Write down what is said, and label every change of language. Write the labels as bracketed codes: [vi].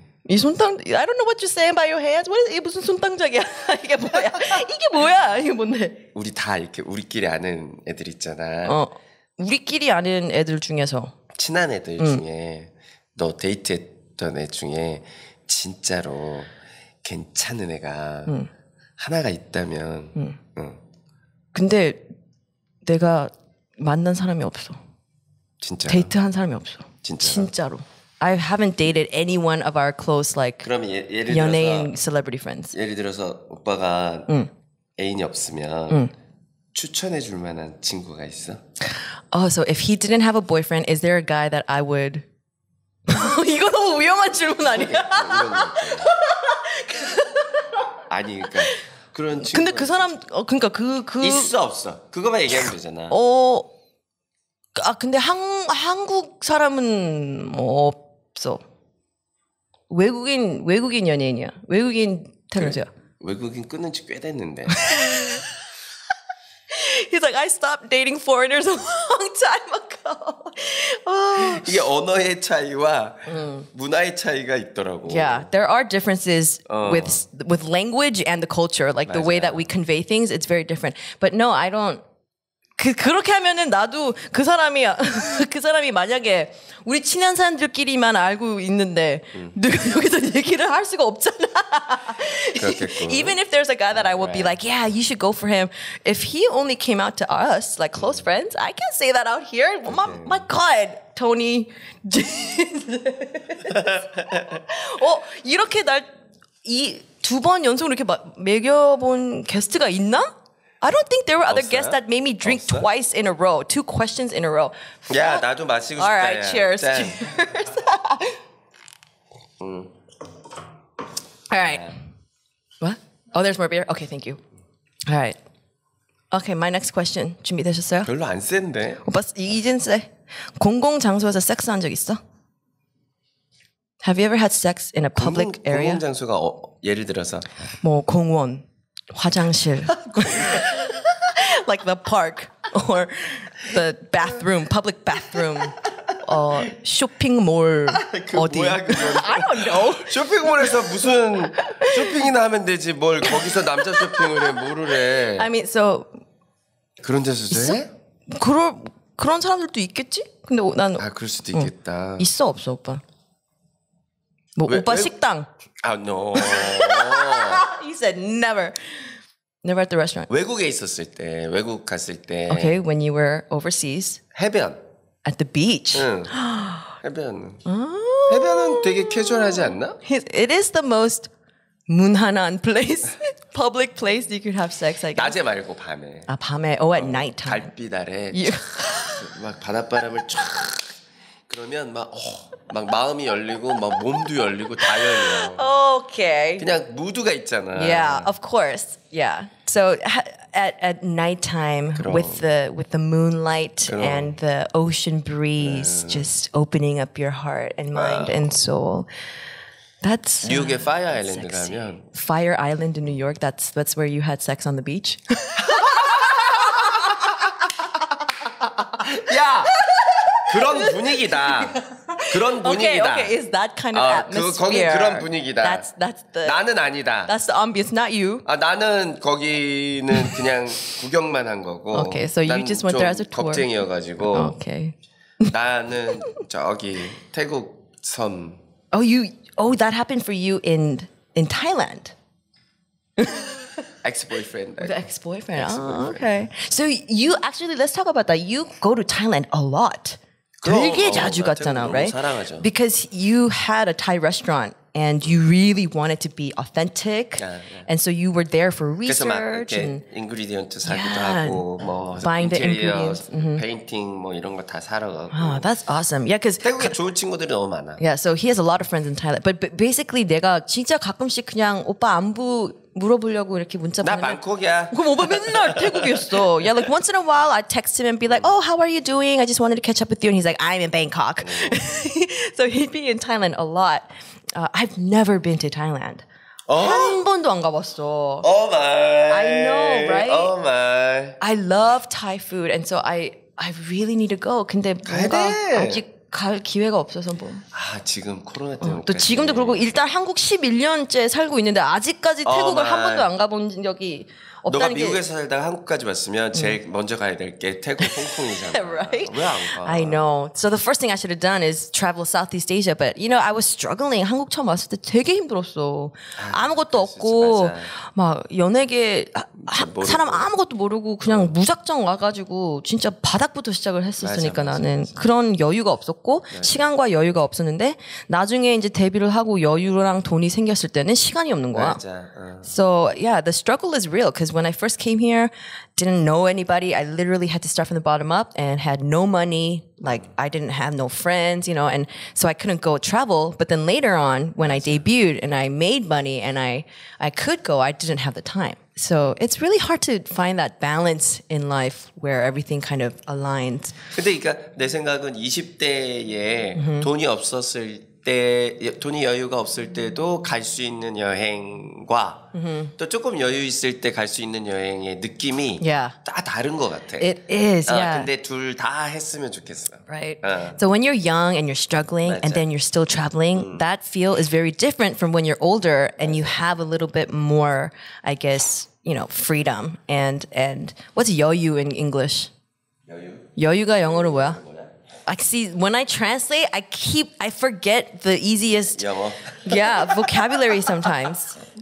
[ko] 이 손땅 [en] I don't know what you saying by your hands. What [ko] is 이게 무슨 손땅작이야? 이게 뭐야? 이게 뭐야? 이게 뭔데? 우리 다 이렇게 우리끼리 아는 애들 있잖아. 우리끼리 아는 애들 중에서 친한 애들 중에 너 데이트했던 애 중에 진짜로 괜찮은 애가 하나가 있다면. 근데 내가 만난 사람이 없어. 진짜. 데이트한 사람이 없어. 진짜로. 진짜로. [en] I haven't dated anyone of our close like [ko] 그러면 예를 들어서 [en] celebrity friends. [ko] 예를 들어서 오빠가 애인이 없으면 추천해 줄 만한 친구가 있어? [en] Oh, so if he didn't have a boyfriend, is there a guy that I would [ko] 이거 너무 위험한 질문 아니야? 아니 그러니까 그런 친구 근데 그 사람 그러니까 그 있어 없어. 그거만 얘기하면 되잖아. 아 근데 한국 사람은 뭐 없어. 외국인 연예인이야. 외국인 탤런트야. 그래, 외국인 끊은 지 꽤 됐는데. [en] He's like, I stopped dating foreigners a long time ago. [ko] 이게 언어의 차이와 문화의 차이가 있더라고. [en] Yeah, there are differences with language and the culture. Like [ko] 맞아요. [en] The way that we convey things, it's very different. But no, I don't. [ko] 그렇게 하면은 나도 그 사람이 그 사람이 만약에 우리 친한 사람들끼리만 알고 있는데 여기서 얘기를 할 수가 없잖아. [en] Even if there's a guy that I would be like, yeah, you should go for him. If he only came out to us, like close friends, I can't say that out here. Okay. My God, Tony. [ko] 어 이렇게 날 이 두 번 연속으로 이렇게 매겨본 게스트가 있나? [en] I don't think there were other [ko] 없어요? [en] guests that made me drink [ko] 없어? [en] twice in a row. Two questions in a row. [ko] Yeah, 나도 마시고 싶다. [en] All right, [ko] 싶다, [en] cheers. Cheers. All right. Yeah. What? Oh, there's more beer? Okay, thank you. All right. Okay, my next question. [ko] 준비되셨어요? 별로 안 센데. 오빠, 이진 쎄. 공공장소에서 섹스 한 적 있어? [en] Have you ever had sex in a public area? [ko] 공공장소가 예를 들어서? 뭐, 공원. 화장실. [en] Like the park or the bathroom, public bathroom. [ko] 쇼핑몰 그 어디? 뭐야, [en] I don't know. [ko] 쇼핑몰에서 무슨 쇼핑이나 하면 되지 뭘 거기서 남자 쇼핑을 해 뭐를 해. [en] I mean so [ko] 그런 데서 돼? 그런 사람들도 있겠지? 근데 난 아, 그럴 수도 있겠다. 응. 있어 없어, 오빠? 뭐 왜, 오빠 왜? 식당. [en] 아, no. He said never at the restaurant. [ko] 외국에 있었을 때, 외국 갔을 때. [en] Okay, when you were overseas. [ko] 해변. [en] At the beach. [ko] 응. 해변. Oh. 해변은 되게 캐주얼하지 않나? [en] It is the most [ko] 무난한 [en] place, public place you could have sex. I guess. [ko] 낮에 말고 밤에. 아 밤에. [en] Oh, at night time. [ko] 달빛 아래. 막 바닷바람을 촥. 그러면 막 마음이 열리고 막 몸도 열리고 다 열려. [en] 오케이. Okay. [ko] 그냥 무드가 있잖아. [en] Yeah, of course. Yeah. So at night time with the moonlight [ko] 그럼. [en] and the ocean breeze just opening up your heart and mind and soul. That's [ko] 뉴욕의 파이어 아일랜드 가면 [en] Fire Island in New York. That's where you had sex on the beach. [ko] 야. 그런 분위기다. 그런 분위기다. [en] Okay, okay. Is that kind of atmosphere? [ko] 거기 그런 분위기다. [en] That's the [ko] 나는 아니다. [en] That's the ambiance, not you. [ko] 아, 나는 거기는 그냥 구경만 한 거고. [en] Okay, so you just went there as a tour. [ko] 겁쟁이여가지고. [en] Okay. [ko] 나는 저기 태국 섬. [en] Oh, you. Oh, that happened for you in Thailand. Ex-boyfriend. Oh, okay. So you actually let's talk about that. You go to Thailand a lot. [ko] 되게 자주 갔잖아, [en] right? [ko] 사랑하죠. [en] Because you had a Thai restaurant and you really wanted to be authentic. Yeah, yeah. And so you were there for research. [ko] 그래서 막 이렇게 ingredient 사기도 하고 뭐 [en] buying the ingredients, [ko] mm-hmm. painting 뭐 이런 거 다 사러 가고. [en] Oh, that's awesome. Yeah, cuz [ko] 태국에 좋은 친구들이 너무 많아. [en] Yeah, so he has a lot of friends in Thailand. But basically [ko] 내가 진짜 가끔씩 그냥 오빠 안부 물어보려고 이렇게 문자 보내. 나 방콕이야. 그럼 오빠 맨날 태국이었어. [en] Yeah, like once in a while I text him and be like, "Oh, how are you doing? I just wanted to catch up with you." And he's like, "I'm in Bangkok." So he'd be in Thailand a lot. I've never been to Thailand. Oh? [ko] 한 번도 안 가봤어. [en] Oh my. I know, right? Oh my. I love Thai food and so I really need to go. [ko] 근데 뭔가 아직 갈 기회가 없어서 뭐. 아, 지금 코로나 때문에. 또 지금도 그러고 일단 한국 11년째 살고 있는데 아직까지 태국을 한 번도 안 가본 적이 너가 미국에서 살다가 한국까지 왔으면 제일 먼저 가야 될 게 태국 홍콩이잖아. [en] Right? [ko] 왜 안 가? [en] I know. So the first thing I should have done is travel Southeast Asia. But you know, I was struggling. [ko] 한국 처음 왔을 때 되게 힘들었어. 아무것도 없고 맞아. 막 연예계 사람 아무것도 모르고 그냥 무작정 와가지고 진짜 바닥부터 시작을 했었으니까 맞아, 맞아, 나는 맞아. 그런 여유가 없었고 맞아. 시간과 여유가 없었는데 나중에 이제 데뷔를 하고 여유랑 돈이 생겼을 때는 시간이 없는 거야. 맞아. [en] So yeah, the struggle is real. Because when I first came here, didn't know anybody. I literally had to start from the bottom up and had no money. Like, I didn't have no friends, you know. And so I couldn't go travel. But then later on, when I debuted and I made money and I could go, I didn't have the time. So it's really hard to find that balance in life where everything kind of aligns. [ko] 근데 그러니까 내 생각은 20대에 돈이 없었을 때 돈이 여유가 없을 때도 갈 수 있는 여행과 또 조금 여유 있을 때 갈 수 있는 여행의 느낌이 다 다른 것 같아. [en] It is. [ko] 어, [en] yeah. [ko] 근데 둘 다 했으면 좋겠어. [en] Right. 어. So when you're young and you're struggling [ko] 맞아. [en] and then you're still traveling, that feel is very different from when you're older and you have a little bit more, I guess, you know, freedom and what's 여유 in English? [ko] 여유? 여유가 영어로 뭐야? [en] I see, when I translate, I forget the easiest, vocabulary sometimes.